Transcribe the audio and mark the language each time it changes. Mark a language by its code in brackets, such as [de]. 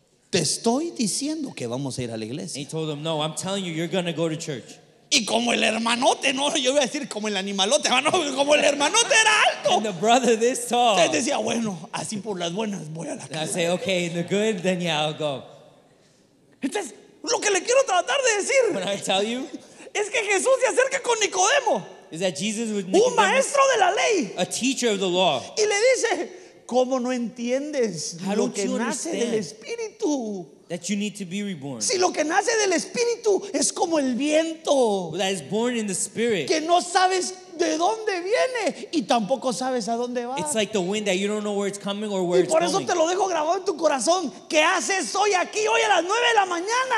[es] Te estoy diciendo que vamos a ir a la iglesia. [en] And he told them, no, I'm telling you, you're going to go to church. [es] Y como el hermanote, no, yo iba a decir como el animalote, no, como el hermanote era alto. [en] And the brother this tall. [es] Entonces decía, bueno, así por las buenas voy a la casa. [en] And I say, okay, in the good, then yeah, I'll go. [es] Entonces, lo que le quiero tratar de decir, [en] when I tell you, [es] es que Jesús se acerca con Nicodemo, [en] is that Jesus with Nicodemus, [es] un maestro de la ley, [en] a teacher of the law, [es] y le dice, ¿cómo no entiendes lo que nace del Espíritu? [en] That you need to be reborn. [es] Si lo que nace del Espíritu es como el viento, [en] that is born in the Spirit, [es] que no sabes de dónde viene y tampoco sabes a dónde va. [en] It's like the wind that you don't know where it's coming or where it's going. [es] Y por te lo dejo grabado en tu corazón. ¿Qué haces hoy aquí hoy a las 9 de la mañana?